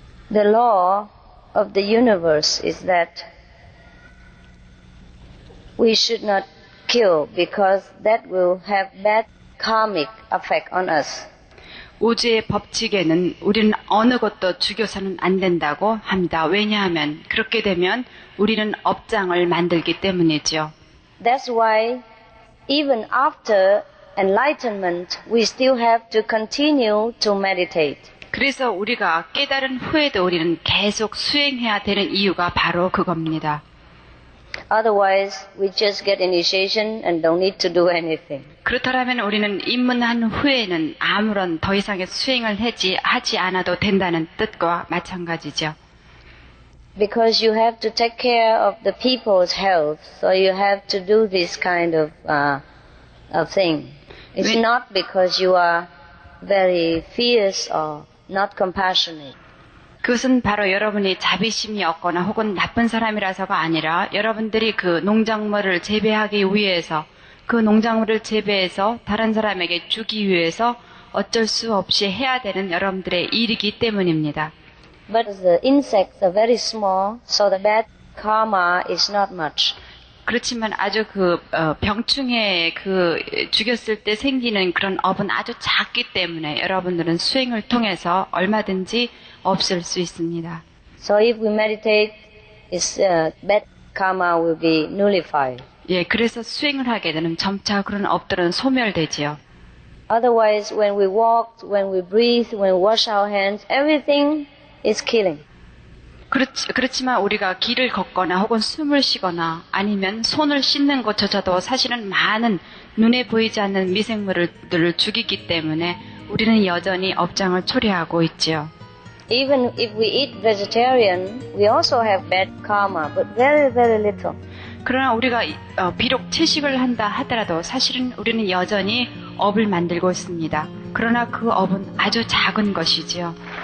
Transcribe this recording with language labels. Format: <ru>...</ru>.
<en>The law of the universe is that we should not kill because that will have bad karmic effect on us.</en> <ko>우주의 법칙에는 우리는 어느 것도 죽여서는 안 된다고 합니다. 왜냐하면 그렇게 되면 우리는 업장을 만들기 때문이죠.</ko> <en>That's why even after enlightenment, we still have to continue to meditate.</en> <ko>그래서 우리가 깨달은 후에도 우리는 계속 수행해야 되는 이유가 바로 그겁니다.</ko> <en>Otherwise, we just get initiation and don't need to do anything.</en> <ko>그렇다면 우리는 입문한 후에는 아무런 더 이상의 수행을 하지 않아도 된다는 뜻과 마찬가지죠.</ko> <en>Because you have to take care of the people's health, so you have to do this kind of thing. It's not because you are very fierce or not compassionate.</en> <ko>그것은 바로 여러분이 자비심이 없거나 혹은 나쁜 사람이라서가 아니라 여러분들이 그 농작물을 재배하기 위해서 그 농작물을 재배해서 다른 사람에게 주기 위해서 어쩔 수 없이 해야 되는 여러분들의 일이기 때문입니다.</ko> <en>But the insects are very small, so the bad karma is not much.</en> <ko>그렇지만 아주 그 병충해 그 죽였을 때 생기는 그런 업은 아주 작기 때문에 여러분들은 수행을 통해서 얼마든지 없을 수 있습니다.</ko> <en>So if we meditate, its bad karma will be nullified.</en> <ko>예, 그래서 수행을 하게 되면 점차 그런 업들은 소멸되지요.</ko> <en>Otherwise, when we walk, when we breathe, when we wash our hands, everything is killing.</en> <ko>그렇지만 우리가 길을 걷거나 혹은 숨을 쉬거나 아니면 손을 씻는 것조차도 사실은 많은 눈에 보이지 않는 미생물들을 죽이기 때문에 우리는 여전히 업장을 초래하고 있지요.</ko> <en>Even if we eat vegetarian, we also have bad karma, but very, very little.</en> <ko>그러나 우리가 비록 채식을 한다 하더라도 사실은 우리는 여전히 업을 만들고 있습니다. 그러나 그 업은 아주 작은 것이지요.</ko>